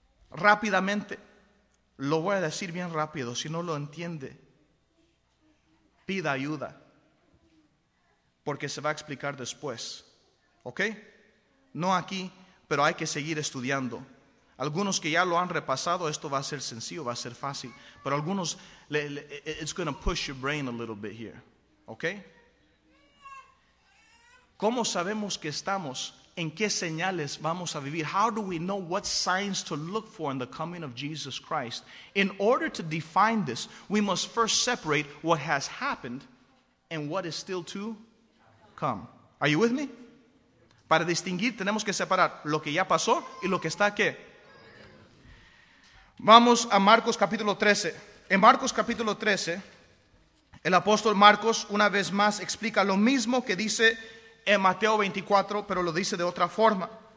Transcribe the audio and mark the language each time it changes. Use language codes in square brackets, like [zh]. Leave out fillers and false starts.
[es] Rápidamente, lo voy a decir bien rápido, si no lo entiende, pida ayuda, porque se va a explicar después, ¿ok? No aquí, pero hay que seguir estudiando. Algunos que ya lo han repasado, esto va a ser sencillo, va a ser fácil. Pero algunos, [en] it's going to push your brain a little bit here. [es] ¿Ok? ¿Cómo sabemos que estamos? ¿En qué señales vamos a vivir? [en] How do we know what signs to look for in the coming of Jesus Christ? In order to define this, we must first separate what has happened and what is still to come. Are you with me? [es] Para distinguir, tenemos que separar lo que ya pasó y lo que está ¿qué? Vamos a Marcos capítulo 13. En Marcos capítulo 13, el apóstol Marcos una vez más explica lo mismo que dice en Mateo 24, pero lo dice de otra forma.